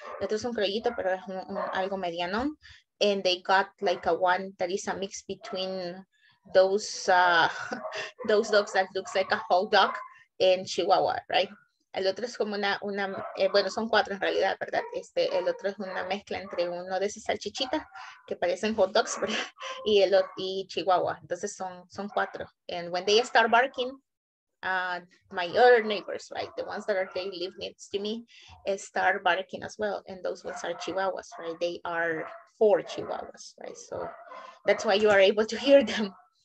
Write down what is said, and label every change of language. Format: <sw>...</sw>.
<es>Otro es un criollito, pero es algo mediano.</es> <en>And they got like a one that is a mix between those dogs that looks like a whole dog and Chihuahua, right?</en> <es>El otro es como bueno, son 4 en realidad, ¿verdad? El otro es una mezcla entre uno de esas salchichitas que parecen hot dogs, ¿verdad? Y Chihuahua. Entonces son 4.</es> <en>And when they start barking, my other neighbors, right? The ones that are, they live next to me, start barking as well. And those ones are Chihuahuas, right? They are 4 Chihuahuas, right? So that's why you are able to hear them.</en>